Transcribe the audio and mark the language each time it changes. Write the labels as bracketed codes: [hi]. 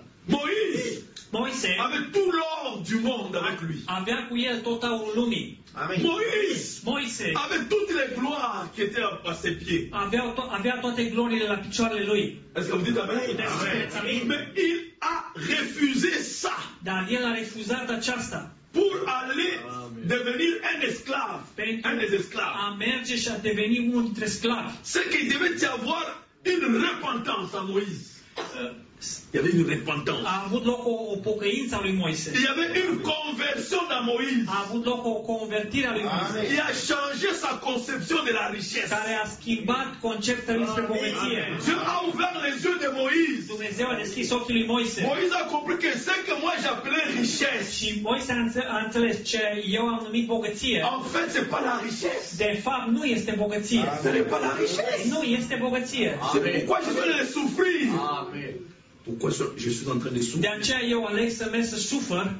[fr] Moïse avait tout l'or du monde avec lui. [ro] Avea cu el tot aurul lumii. [fr] Moïse avait toutes les gloires qui étaient à ses pieds. [ro] Avea toate gloriile la picioarele lui. [fr] Est-ce que vous dites amen? Mais il a refusé ça. [ro] Dar el a refuzat aceasta. [fr] Pour aller devenir un esclave. Un des esclaves. [ro] A merge și a deveni unul dintre sclavi. [fr] C'est qu'il devait y avoir une repentance à Moïse. Il y avait une repentance. [ro] A avut loc o pocăință a lui Moise. [fr] Il y avait une conversion à Moïse. [ro] A avut loc o convertire a lui Moise. [fr] Il a changé sa conception de la richesse. [ro] Care a schimbat conceptul despre bogăție. [fr] Dieu a ouvert les yeux de Moïse. [ro] Dumnezeu a deschis ochii lui Moise. [fr] Moïse a compris que ce que moi j'appelais richesse. [ro] Și Moise a înțeles ce eu am numit bogăție. [fr] En fait, c'est pas la richesse. [ro] De fapt, nu este bogăție. [fr] Ce n'est pas la richesse. [ro] Nu este bogăție. [fr] C'est pourquoi je suis allé souffrir. Amen. Pourquoi je suis en train de souffrir? [ro] De aceea eu aleg să merg să sufăr.